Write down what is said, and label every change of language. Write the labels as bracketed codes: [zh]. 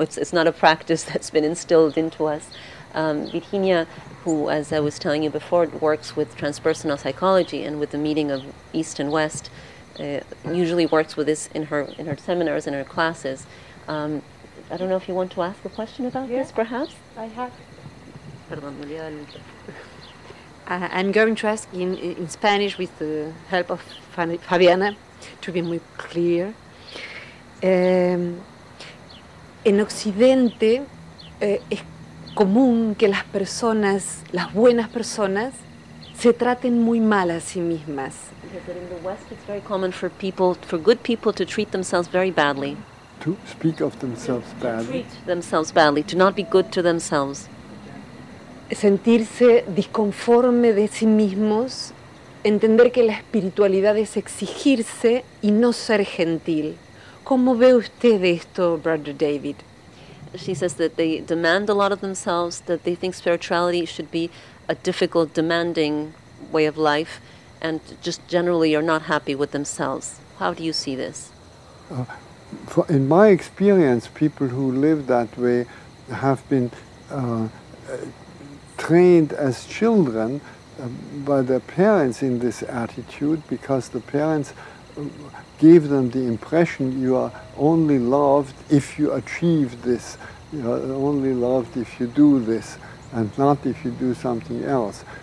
[en] It's not a practice that's been instilled into us. Virginia, who, as I was telling you before, works with transpersonal psychology and with the meeting of East and West, usually works with this in her seminars and her classes. I don't know if you want to ask a question about this, perhaps? I have. I'm going to ask in Spanish with the help of Fabiana to be more clear. [es] En Occidente es común que las personas, las buenas personas, se traten muy mal a sí mismas. [en] Because in the West it's very common for people, for good people, to treat themselves very badly. To speak of themselves badly. To treat themselves badly, to not be good to themselves. [es] Sentirse disconforme de sí mismos, entender que la espiritualidad es exigirse y no ser gentil. ¿Cómo ve usted esto, Brother David? [en] She says that they demand a lot of themselves, that they think spirituality should be a difficult, demanding way of life, and just generally are not happy with themselves. How do you see this? In my experience, people who live that way have been trained as children by their parents in this attitude, because the parents gave them the impression you are only loved if you achieve this, you are only loved if you do this, and not if you do something else.